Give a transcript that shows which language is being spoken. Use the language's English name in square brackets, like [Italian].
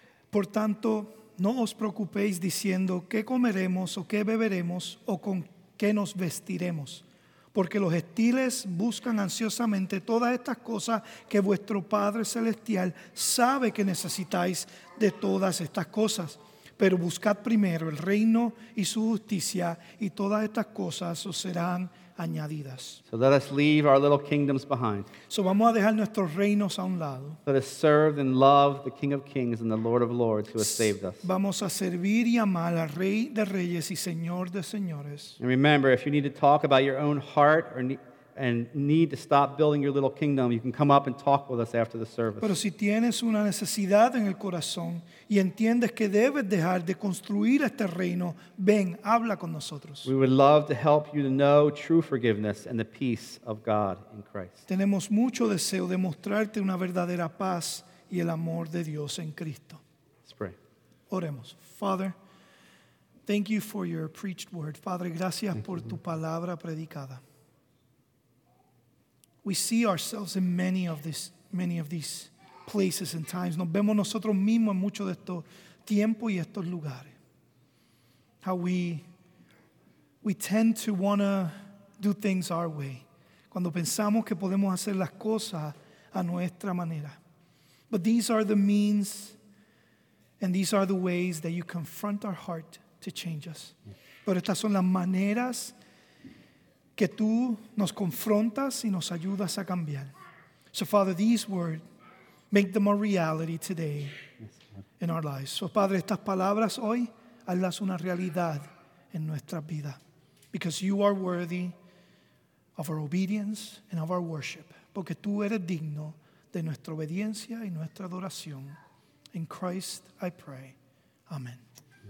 [Spanish] Por tanto, no os preocupéis diciendo qué comeremos o qué beberemos o con qué nos vestiremos, porque los gentiles buscan ansiosamente todas estas cosas que vuestro Padre Celestial sabe que necesitáis de todas estas cosas. Pero buscad primero el reino y su justicia, y todas estas cosas os serán añadidas. [English] So let us leave our little kingdoms behind. [Spanish] So vamos a dejar nuestros reinos a un lado. [English] Let us serve and love the King of Kings and the Lord of Lords who has saved us. [Spanish] Vamos a servir y amar al Rey de Reyes y Señor de Señores. [English] And remember, if you need to talk about your own heart and need to stop building your little kingdom, you can come up and talk with us after the service. [Spanish] Pero si tienes una necesidad en el corazón y entiendes que debes dejar de construir este reino, ven, habla con nosotros. [English] We would love to help you to know true forgiveness and the peace of God in Christ. [Spanish] Tenemos mucho deseo de mostrarte una verdadera paz y el amor de Dios en Cristo. [English] Let's pray. [Spanish] Oremos. [English] Father, thank you for your preached word. [Spanish] Padre, gracias por tu palabra predicada. [English] We see ourselves in many of these places and times. [Spanish] Nos vemos nosotros mismos en muchos de estos tiempos y estos lugares. [English] How we tend to want to do things our way. [Spanish] Cuando pensamos que podemos hacer las cosas a nuestra manera. [English] But these are the means and these are the ways that you confront our heart to change us. [Spanish] Pero estas son las maneras que tú nos confrontas y nos ayudas a cambiar. [English] So, Father, these words, make them a reality today in our lives. [Spanish] So, Padre, estas palabras hoy, hazlas una realidad en nuestra vida. [English] Because you are worthy of our obedience and of our worship. [Spanish] Porque tú eres digno de nuestra obediencia y nuestra adoración. [English] In Christ, I pray. Amen.